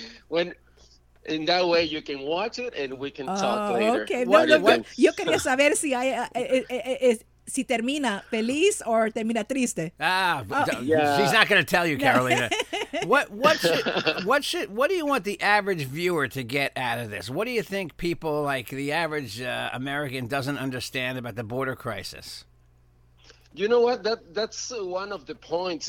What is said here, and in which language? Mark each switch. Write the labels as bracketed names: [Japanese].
[English] In that way, you can watch it and we can talk later. Okay. [Spanish] No, yo quería saber si hay... Si termina feliz or termina triste. [English] Yeah. She's not going to tell you, Carolina. What do you want the average viewer to get out of this? What do you think people like the average American doesn't understand about the border crisis? You know what? That's one of the points.